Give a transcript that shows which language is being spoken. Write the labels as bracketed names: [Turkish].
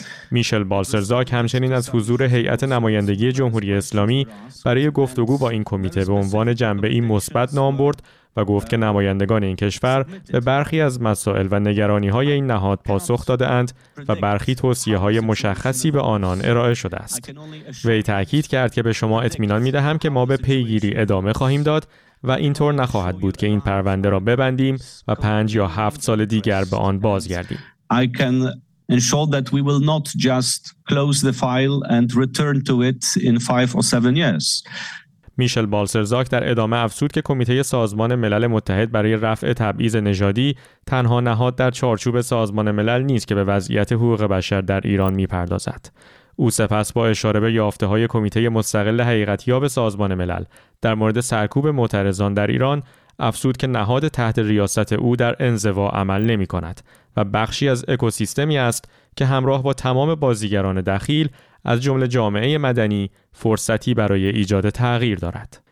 [Persian] میشل بالسرزاک همچنین از حضور هیئت نمایندگی جمهوری اسلامی برای گفتگو با این کمیته به عنوان جنبه این مثبت نام برد و گفت که نمایندگان این کشور به برخی از مسائل و نگرانی‌های این نهاد پاسخ داده‌اند و برخی توصیه‌های مشخصی به آنان ارائه شده است. وی تأکید کرد که به شما اطمینان می‌دهم که ما به پیگیری ادامه خواهیم داد و اینطور نخواهد بود که این پرونده را ببندیم و 5 یا 7 سال دیگر به آن بازگردیم. [English] I can ensure that we will not just close the file and return to it in 5 or 7 years. [Persian] میشل بالسرزاک در ادامه افزود که کمیته سازمان ملل متحد برای رفع تبعیض نژادی تنها نهاد در چارچوب سازمان ملل نیست که به وضعیت حقوق بشر در ایران می‌پردازد. او سپس با اشاره به یافته‌های کمیته مستقل حقیقت‌یاب سازمان ملل در مورد سرکوب معترضان در ایران افزود که نهاد تحت ریاست او در انزوا عمل نمی‌کند و بخشی از اکوسیستمی است که همراه با تمام بازیگران دخیل از جمله جامعه مدنی فرصتی برای ایجاد تغییر دارد.